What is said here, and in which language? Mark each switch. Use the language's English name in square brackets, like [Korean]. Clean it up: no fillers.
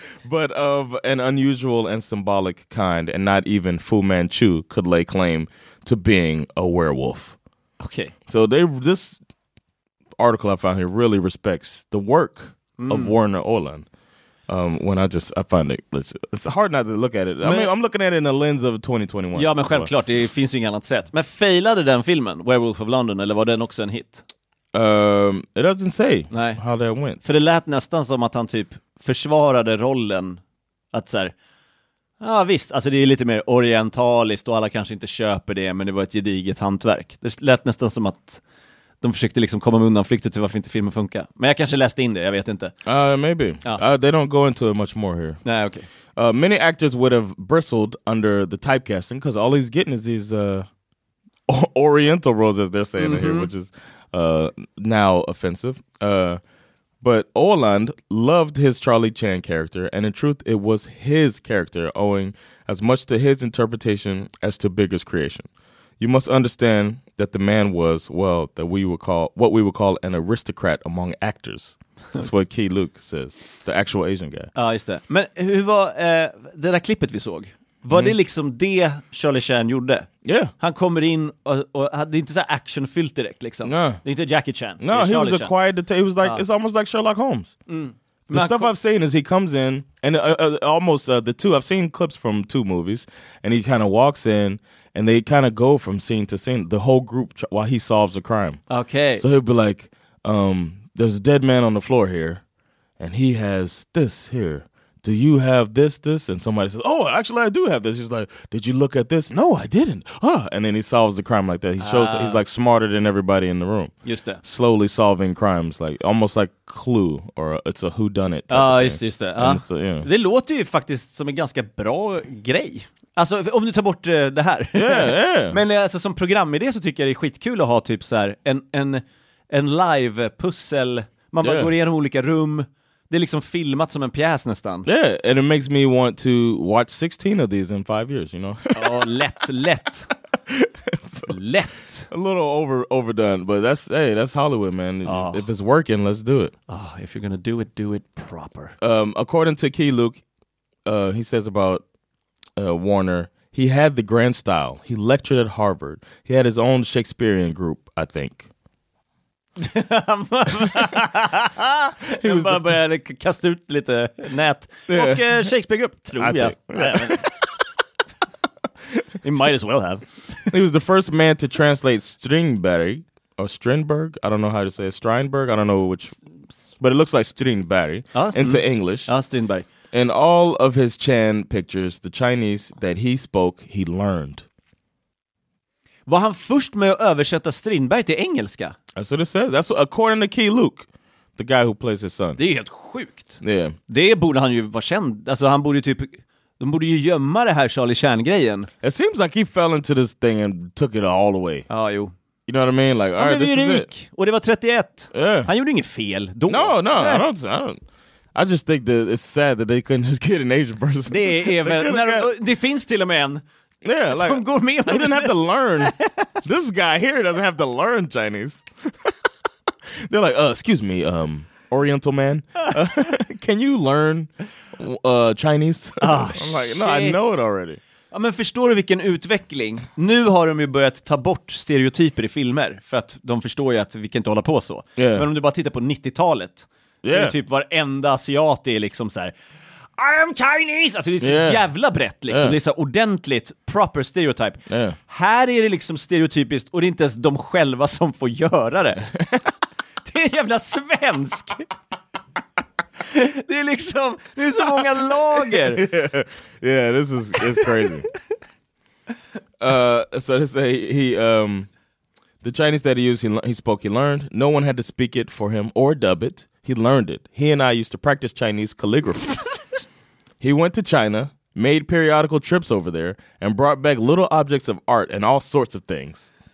[English] But of an unusual and symbolic kind, and not even Fu Manchu could lay claim to being a werewolf. Okay. So this article I found here really respects the work of Werner Ölund. I find it, it's hard not to look at it. I'm looking at it in the lens of 2021. [Swedish] Ja, men självklart, det finns ju inget annat sätt. Men failade den filmen, Werewolf of London, eller var den också en hit? [English] It doesn't say how that went. [Swedish] För det lät nästan som att han typ försvarade rollen att såhär, ja visst, alltså det är lite mer orientaliskt och alla kanske inte köper det, men det var ett gediget hantverk. Det lät nästan som att de försökte liksom komma undan flyktet till varför inte filmen funkar. Men jag kanske läste in det, jag vet inte. [English] Maybe. Ja. They don't go into it much more here. [Swedish] Nej, okej. [English] Okay. Many actors would have bristled under the typecasting because all he's getting is these oriental roles, as they're saying here, which is now offensive. But Ölund loved his Charlie Chan character, and in truth, it was his character, owing as much to his interpretation as to Bigger's creation. You must understand that the man was, well, what we would call an aristocrat among actors. That's what Key Luke says, the actual Asian guy. [Swedish] Ja, just det. Men hur var det där klippet vi såg? Var det liksom det Charlie Chan gjorde? Ja. Yeah. Han kommer in och det är inte så actionfyllt direkt liksom. [English] No. [Swedish] Det är inte Jackie Chan. [English] No, he was a quiet detective. He was like, it's almost like Sherlock Holmes. Mm. The stuff I've seen is he comes in, and I've seen clips from two movies, and he kind of walks in, and they kind of go from scene to scene, the whole group, while he solves a crime. Okay. So he'll be like, there's a dead man on the floor here, and he has this here. do you have this? And somebody says, oh, actually, I do have this. He's like, did you look at this? No, I didn't. Ah. And then he solves the crime like that. He shows he's like smarter than everybody in the room. Just that. Slowly solving crimes, like almost like Clue or it's a whodunit. [Swedish] Just det. Så, yeah. Det låter ju faktiskt som en ganska bra grej. Alltså, om du tar bort det här. [English] Yeah. [Swedish] Men alltså, som programidé så tycker jag det är skitkul att ha typ så här en live-pussel. Man bara går igenom olika rum. Det är liksom filmat som en pjäs nästan. [English] Yeah, and it makes me want to watch 16 of these in 5 years, you know? [Swedish] Ja, oh, lätt. So, lätt. [English] A little overdone, but that's Hollywood, man. Oh. If it's working, let's do it. Oh, if you're gonna do it proper. According to Key Luke, he says about Warner, he had the grand style. He lectured at Harvard. He had his own Shakespearean group, I think. [Swedish] Jag bara började kasta ut lite nät. Och Shakespeare grupp, tror jag. [English] He might as well have. He was the first man to translate Strindberg, or Strindberg, I don't know how to say it, Strindberg, I don't know which, but it looks like Strindberg, into English. Ah, Strindberg. And all of his Chan pictures, the Chinese that he spoke, he learned. [Swedish] Var han först med att översätta Strindberg till engelska? [English] That's what it says. That's what, according to Key Luke, the guy who plays his son. [Swedish] Det är helt sjukt. [English] Yeah. [Swedish] Det borde han ju vara känd. Alltså han borde ju typ, de borde ju gömma det här Charlie Chan-grejen. [English] It seems like he fell into this thing and took it all the way. [Swedish] Ja, jo. [English] You know what I mean? Like, all right, this [Swedish] rik, [English] is it. [Swedish] Och det var 31. [English] Yeah. [Swedish] Han gjorde inget fel då. [English] No, no, yeah. I don't. I just think that it's sad that they couldn't just get an Asian person. [Swedish] Det är väl, det finns till och med en. [English] Yeah, like, [Swedish] som går med. [English] He didn't have to learn. This guy here doesn't have to learn Chinese. They're like, excuse me, Oriental man. Can you learn Chinese? Oh, I'm like, shit. No, I know it already. [Swedish] Ja, men förstår du vilken utveckling? Nu har de ju börjat ta bort stereotyper i filmer. För att de förstår ju att vi kan inte hålla på så. [English] Yeah. [Swedish] Men om du bara tittar på 90-talet. [English] Yeah. [Swedish] Så är typ varenda asiat är liksom så här. [English] I am Chinese! [Swedish] Alltså det är så jävla brett liksom. Yeah. Det är så ordentligt, [English] proper stereotype. Yeah. [Swedish] Här är det liksom stereotypiskt och det är inte ens de själva som får göra det. Det är jävla svensk. Det är liksom, det är så många lager. [English] Yeah, this is it's crazy. So to say, the Chinese that he used, he spoke, he learned. No one had to speak it for him or dub it. He learned it. He and I used to practice Chinese calligraphy. He went to China, made periodical trips over there, and brought back little objects of art and all sorts of things.